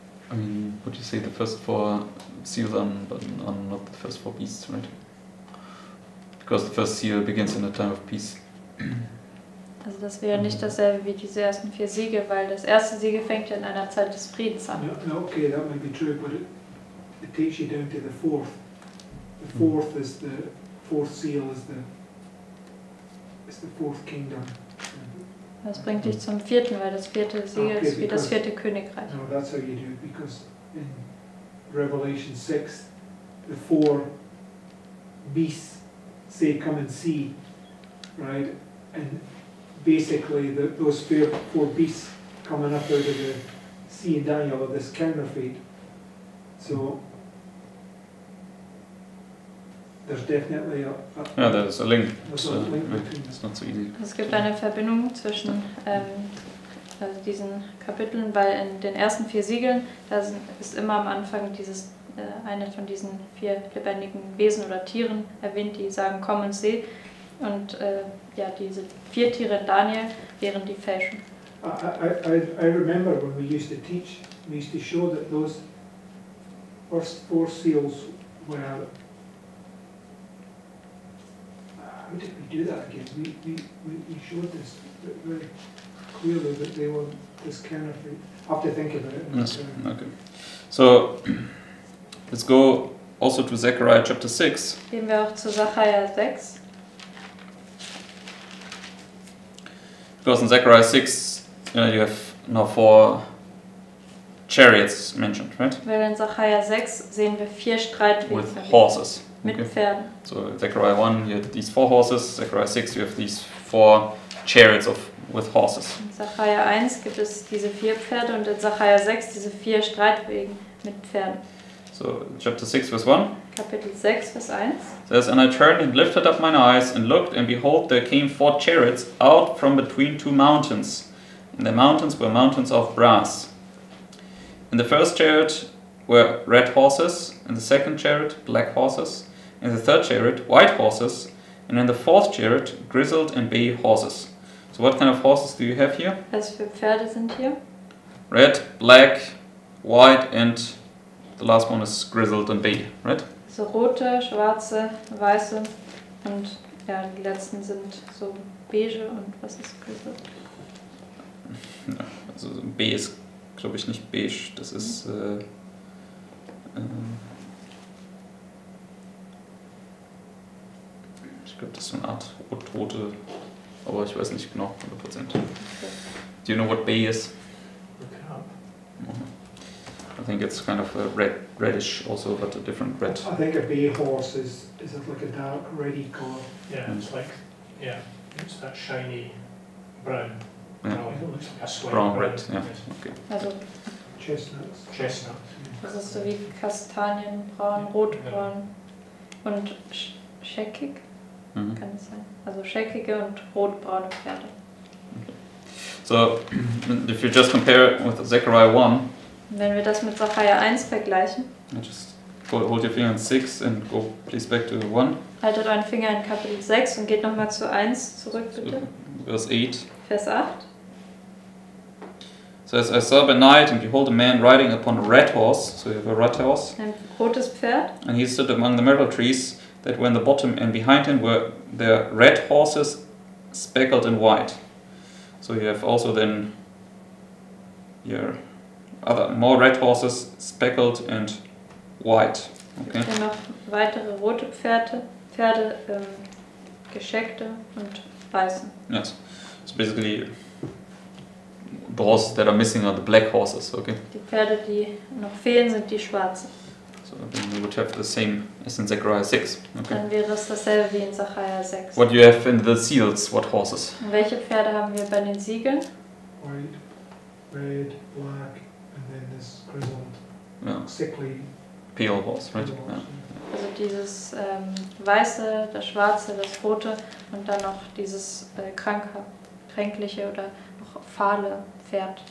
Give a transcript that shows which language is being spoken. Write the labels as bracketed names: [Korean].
[English] I mean, would you say the first four seals are not the first four beasts, right? Because the first seal begins in a time of peace. [German] Also das wäre nicht dasselbe wie diese ersten vier Siegel, weil das erste Siegel fängt ja in einer Zeit des Friedens an. [English] No, okay, that might be true, but it takes you down to the fourth. The fourth seal is the fourth kingdom. [German] Das bringt dich zum vierten, weil das vierte Siegel ist wie das vierte Königreich. [English] No, that's how you do it, because in Revelation 6, the four beasts say, come and see, right? And basically, those four beasts coming up out of the sea in Daniel are this counterfeit. So, there's definitely a... Yeah, there's a link. It's not so easy. [German] Es gibt eine Verbindung zwischen diesen Kapiteln, weil in den ersten vier Siegeln, da ist immer am Anfang dieses eine von diesen vier lebendigen Wesen oder Tieren erwähnt, die sagen, komm und seh. Und ja, diese vier Tiere in Daniel wären die Fälschen. [English] I remember when we used to show that those first four seals were... How did we do that again? We showed this very clearly that they were this counterfeit. I have to think about it. Yes. Okay. So, let's go also to Zechariah chapter 6. [German] Gehen wir auch zu Zechariah 6. [English] Because in Zechariah 6, you know, you have now four chariots mentioned, right? [German] Weil in Zechariah 6 sehen wir vier Streitwagen. [English] With horses. [German] Mit okay. Pferden. [English] So Zechariah 1, you have these four horses. Zechariah 6, you have these four chariots of with horses. [German] In Zechariah 1 gibt es diese vier Pferde und in Zechariah 6 diese vier Streitwagen mit Pferden. [English] So chapter 6, verse 1. [German] Kapitel 6, Vers 1. [English] Says, and I turned and lifted up mine eyes and looked, and behold, there came four chariots out from between two mountains. And the mountains were mountains of brass. In the first chariot were red horses, in the second chariot black horses, in the third chariot white horses, and in the fourth chariot grizzled and bay horses. So what kind of horses do you have here? [German] Was für Pferde sind hier? [English] Red, black, white, and the last one is grizzled and bay, right? [German] So rote, schwarze, weiße und ja, die letzten sind so beige und was ist grizzled? Also B ist, glaube ich, nicht beige, das ist ich glaube, das ist so eine Art rote, aber ich weiß nicht genau, 100%. [English] Okay. Do you know what B is? I think it's kind of a red, reddish also, but a different red. I think a bay horse is it like a dark reddy color? Yeah, it's like, it's that shiny brown. Yeah. It looks like a brown, red, yeah. Okay. [German] Also [English] chestnuts. [German] Das ist so wie kastanienbraun, rotbraun und scheckig, kann es sein. Also scheckige und rotbraune Pferde. [English] So, if you just compare it with Zechariah 1, [German] wenn wir das mit Zachariah 1 vergleichen. [English] Just hold your finger in 6 and go please back to 1. [German] Haltet euren Finger in Kapitel 6 und geht nochmal zu 1 zurück, bitte. Vers 8. Vers 8. [English] So as I saw by night, and behold, a man riding upon a red horse. So you have a red horse. [German] Ein rotes Pferd. [English] And he stood among the myrtle trees, that were in the bottom, and behind him were their red horses speckled in white. So you have also then here other more red horses speckled and white. Okay. [German] Gibt hier noch weitere rote Pferde gescheckte und weißen. [English] Yes. So basically, the horses that are missing are the black horses, okay? [German] Die Pferde, die noch fehlen, sind die schwarzen. [English] So then we would have the same as in Zechariah 6. Okay. [German] Dann wäre es dasselbe wie in Zechariah 6. [English] What do you have in the seals? What horses? [German] Und welche Pferde haben wir bei den Siegeln? [English] White, red, black, and then this grizzled, sickly, pale horse, right? Pale horse, yeah. [German] Also dieses weiße, das schwarze, das rote und dann noch dieses kränkliche oder fahle Pferd.